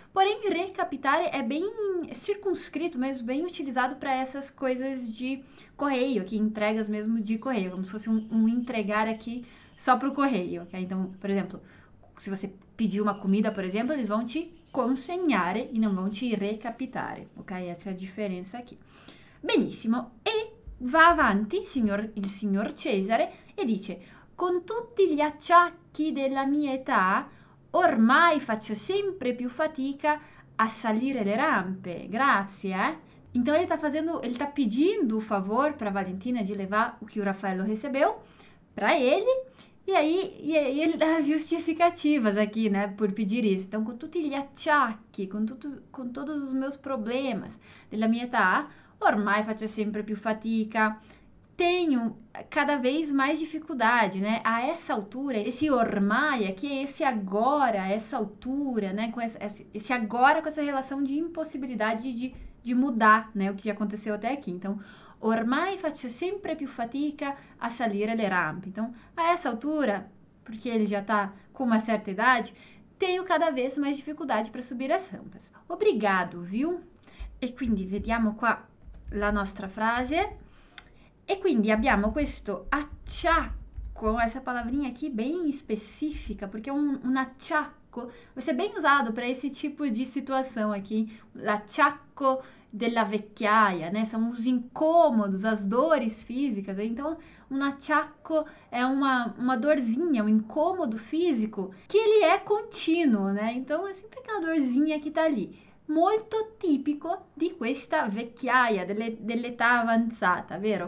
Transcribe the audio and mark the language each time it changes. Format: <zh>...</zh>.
<pt>Porém, recapitare é bem circunscrito, mas bem utilizado para essas coisas de correio, que entregas mesmo de correio, como se fosse um entregar aqui só para o correio. Okay? Então, por exemplo, se você pedir uma comida, por exemplo, eles vão te consegnare e não vão te recapitare. Okay? Essa é a diferença aqui. Benissimo.</pt> <it>E va avanti il signor Cesare e dice, con tutti gli acciacchi della mia età, ormai faccio sempre più fatica a salire le rampe. Grazie, eh?</it> <pt>Então ele tá pedindo o favor para Valentina de levar o que o Raffaello recebeu para ele. E aí ele dá as justificativas aqui, né, por pedir isso. Então, com</pt> <it>tutti gli acciacchi,</it> <pt>com todos os meus problemas</pt> <it>della mia età, ormai faccio sempre più fatica.</it> <pt>Tenho cada vez mais dificuldade, né? A essa altura, esse ormai aqui, esse agora, essa altura, né? Com esse agora, com essa relação de impossibilidade de mudar, né? O que aconteceu até aqui. Então,</pt> <it>ormai faccio sempre più fatica a salire le rampe.</it> <pt>Então, a essa altura, porque ele já tá com uma certa idade, tenho cada vez mais dificuldade para subir as rampas. Obrigado, viu?</pt> <it>E quindi, vediamo qua la nostra frase. E quindi abbiamo questo acciacco,</it> <pt>essa palavrinha aqui bem específica, porque um acciacco vai ser bem usado para esse tipo de situação aqui.</pt> <it>L'acciacco della vecchiaia, né?</it> <pt>São os incômodos, as dores físicas. Então, um acciacco é uma dorzinha, um incômodo físico, que ele é contínuo, né? Então, é sempre aquela dorzinha que tá ali.</pt> <it>Molto tipico di questa vecchiaia, dell'età avanzata, vero?</it>